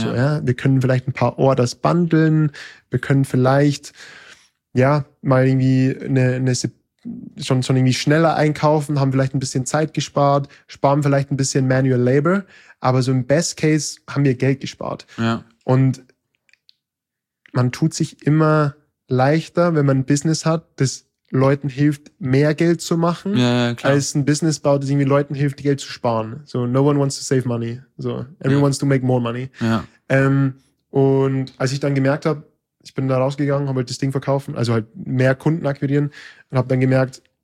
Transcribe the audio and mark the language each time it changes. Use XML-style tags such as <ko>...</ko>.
<de>So, ja, wir können vielleicht ein paar Orders bundeln, wir können vielleicht ja mal irgendwie schon irgendwie schneller einkaufen, haben vielleicht ein bisschen Zeit gespart, sparen vielleicht ein bisschen Manual Labor, aber so im Best Case haben wir Geld gespart. Ja. Und man tut sich immer leichter, wenn man ein Business hat, das Leuten hilft, mehr Geld zu machen, ja, als ein Business baut, das irgendwie Leuten hilft, Geld zu sparen.</de> <en>So, no one wants to save money. So, everyone wants to make more money.</en> <de>Ja. Und als ich dann gemerkt habe, ich bin da rausgegangen, habe halt das Ding verkaufen, also halt mehr Kunden akquirieren und habe dann gemerkt,</de>